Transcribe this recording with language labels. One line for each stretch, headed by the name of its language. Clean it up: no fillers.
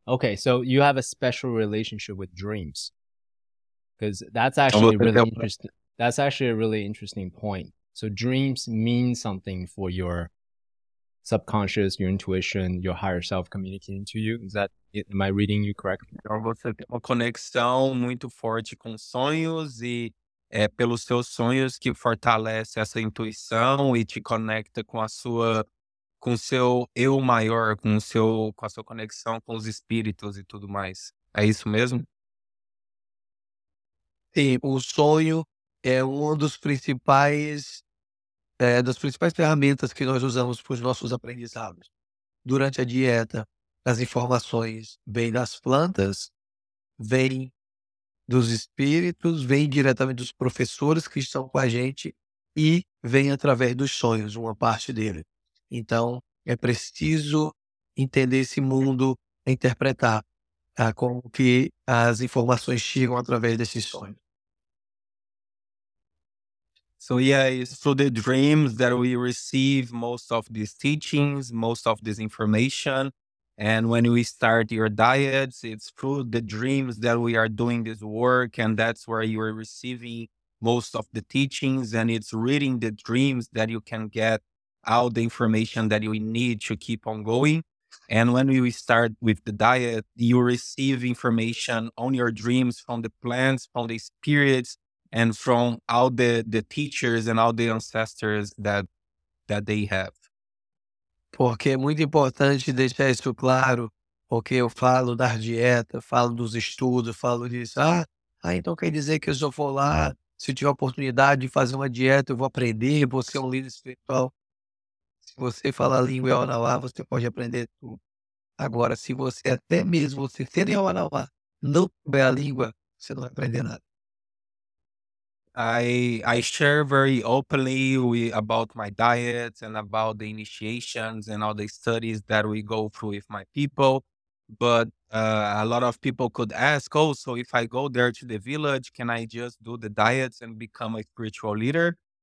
English: Okay, so you have a special relationship with dreams. Because that's actually really interesting. That's actually a really interesting point. So dreams mean something for your subconscious, your intuition, your higher self communicating to you. Is that it? Am I reading you correctly?
Portuguese: Então você tem uma conexão muito forte com sonhos e é pelos seus sonhos que fortalece essa intuição e te conecta com a sua, com seu eu maior, com a sua conexão com os espíritos e tudo mais. É isso mesmo? Sim, o sonho é uma das principais ferramentas que nós usamos para os nossos aprendizados. Durante a dieta, as informações vêm das plantas, vêm dos espíritos, vêm diretamente dos professores que estão com a gente e vêm através dos sonhos, uma parte dele. Então, é preciso entender esse mundo, interpretar como que as informações chegam através desses sonhos.
English: So yeah, it's through the dreams that we receive most of these teachings, most of this information. And when we start your diets, it's through the dreams that we are doing this work. And that's where you are receiving most of the teachings. And it's reading the dreams that you can get all the information that you need to keep on going. And when we start with the diet, you receive information on your dreams from the plants, from the spirits, and from all the teachers and all the ancestors that they have.
Portuguese: Porque é muito importante deixar isso claro, porque eu falo da dieta, falo dos estudos, falo disso. Ah, então quer dizer que eu só vou lá, se tiver oportunidade de fazer uma dieta, eu vou aprender, vou ser um líder espiritual. Se você fala a língua Yawanawa, você pode aprender tudo. Agora, se você até mesmo, você sendo Yawanawa, não souber a língua, você não vai aprender nada.
English: I share very openly about my diet and about the initiations and all the studies that we go through with my people. But a lot of people could ask, oh, so if I go there to the village, can I just do the diets and become a spiritual leader?